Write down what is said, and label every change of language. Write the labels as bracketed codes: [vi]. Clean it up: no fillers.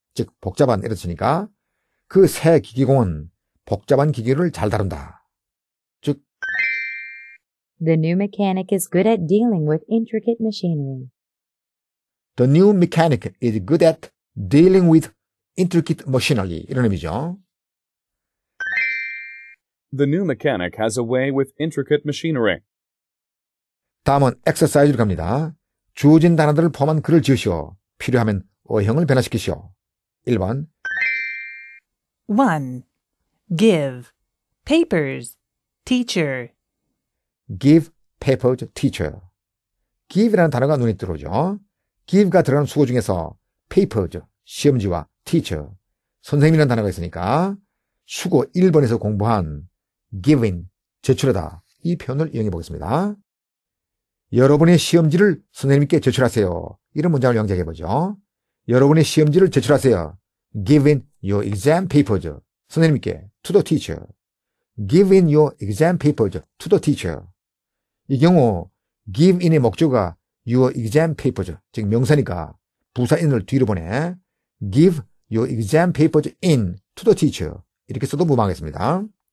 [ko] 즉, 복잡한 이런 뜻이니까 그 새 기계공은 복잡한 기계를 잘 다룬다. 즉, [en] The new mechanic is good at dealing with intricate machinery. The new mechanic is good at dealing with intricate machinery. [ko] 이런 의미죠. [en] The new mechanic has a way with intricate machinery. [ko] 다음은 exercise로 갑니다. 주어진 단어들을 포함한 글을 지으시오. 필요하면 어형을 변화시키시오. 1번 [en] 1. Give. Papers. Teacher. Give papers, teacher. [ko] Give라는 단어가 눈에 들어오죠. Give가 들어간 수거 중에서 papers, 시험지와 teacher, 선생님이라는 단어가 있으니까 수거 1번에서 공부한 giving, 제출하다, 이 표현을 이용해 보겠습니다. 여러분의 시험지를 선생님께 제출하세요. 이런 문장을 연결해 보죠. 여러분의 시험지를 제출하세요. [en] Give in your exam papers. 선생님께 to the teacher. Give in your exam papers to the teacher. [ko] 이 경우 give in의 목적어가 your exam papers, 즉 명사니까 부사 in을 뒤로 보내 [en] give your exam papers in to the teacher [ko] 이렇게 써도 무방하겠습니다.